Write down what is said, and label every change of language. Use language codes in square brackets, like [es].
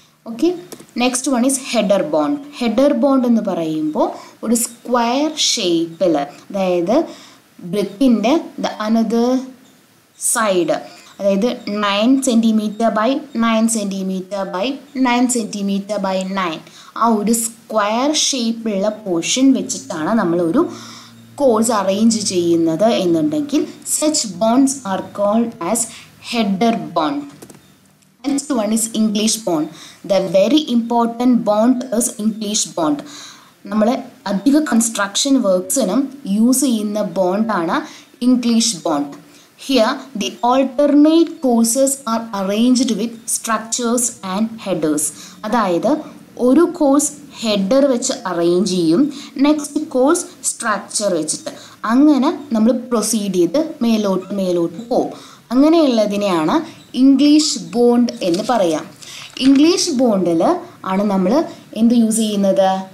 [en] Okay, next one is header bond. [ml] Header bond എന്ന് പറയുമ്പോൾ ഒരു സ്ക്വയർ ഷേപ്പിൽ, അതായത് ബ്രിക്കിൻ്റെ [en] the another side, [ml] അതായത് [en] 9 centimeters by 9 [ml] centimeters by 9 centimeters by 9, ആ ഒരു സ്ക്വയർ ഷേപ്പുള്ള പോർഷൻ വെച്ചിട്ടാണ് നമ്മളൊരു കോഴ്സ് അറേഞ്ച് ചെയ്യുന്നത് എന്നുണ്ടെങ്കിൽ [en] Such bonds are called as header bond. Next one is English bond. The very important bond is English bond. [ml] നമ്മൾ അധിക construction വർക്ക്സിനും use ചെയ്യുന്ന ബോണ്ടാണ് English bond. [en] Here, the alternate courses are arranged with structures and headers. [ml] അതായത് ഒരു course header വെച്ച് arrange ചെയ്യും, next course structure വെച്ചിട്ട്, അങ്ങനെ നമ്മൾ പ്രൊസീഡ് ചെയ്ത് മേലോട്ട് മേലോട്ട് പോകും. അങ്ങനെയുള്ളതിനെയാണ് ഇംഗ്ലീഷ് ബോണ്ട് എന്ന് പറയാം. ഇംഗ്ലീഷ് ബോണ്ടിൽ ആണ് നമ്മൾ എന്ത് യൂസ് ചെയ്യുന്നത്?